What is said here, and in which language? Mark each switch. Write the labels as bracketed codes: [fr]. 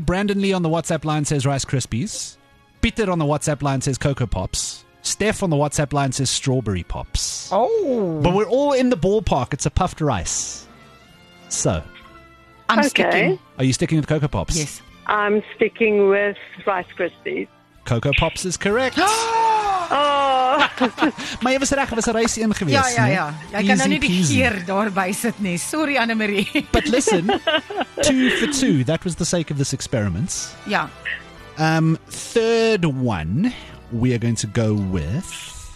[en] Brandon Lee on the WhatsApp line says Rice Krispies. Peter on the WhatsApp line says Cocoa Pops. Steph on the WhatsApp line says Strawberry Pops. Oh. But we're all in the ballpark. It's a puffed rice. So, I'm sticking. Are you sticking with Cocoa Pops? Yes. I'm sticking with Rice Krispies. Cocoa Pops is correct. Oh! [af] Maar jy was reg, was 'n reis een geweest. Ja, ja, ja. Jy kan nou nie die keer daarby sit nie. [en] Sorry, Annemarie. But listen, 2 for 2. That was the sake of this experiment. Ja. Third one, we are going to go with...